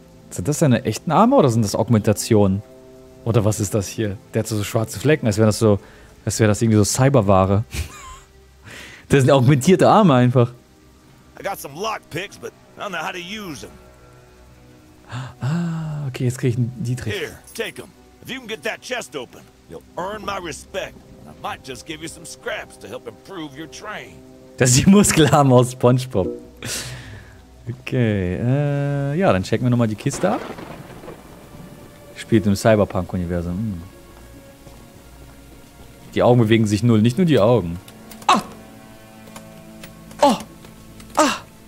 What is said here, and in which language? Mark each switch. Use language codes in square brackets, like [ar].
[de] Sind das seine echten Arme oder sind das Augmentationen? Oder was ist das hier? Der hat so schwarze Flecken, als wäre das irgendwie so Cyberware. Das sind augmentierte Arme einfach. [en] I got some lock picks, but I don't know how to use them. [de] Ah, okay, jetzt kriege ich einen Dietrich. [en] Here, take them. If you can get that chest open, you'll earn my respect. I might just give you some scraps to help improve your train. [de] Das ist die Muskelarme aus SpongeBob. Okay, ja, dann checken wir nochmal die Kiste ab. Spielt im Cyberpunk-Universum. Hm. Die Augen bewegen sich null, nicht nur die Augen. Ah! Oh! Ah!